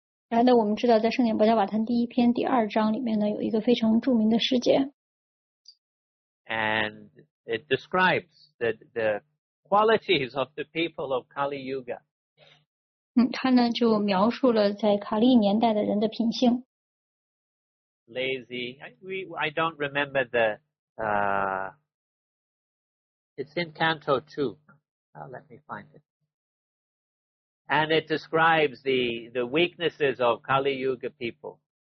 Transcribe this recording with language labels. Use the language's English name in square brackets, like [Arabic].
[Chinese] 然后呢，我们知道在圣典《波迦瓦坛》第一篇第二章里面呢，有一个非常著名的事件。 [English] And it describes the qualities of the people of Kali Yuga. [Chinese] 他呢就描述了在卡利年代的人的品性。 [English] Lazy, I don't remember the it's in Canto 2. Let me find it. And it describes the weaknesses of Kali Yuga people.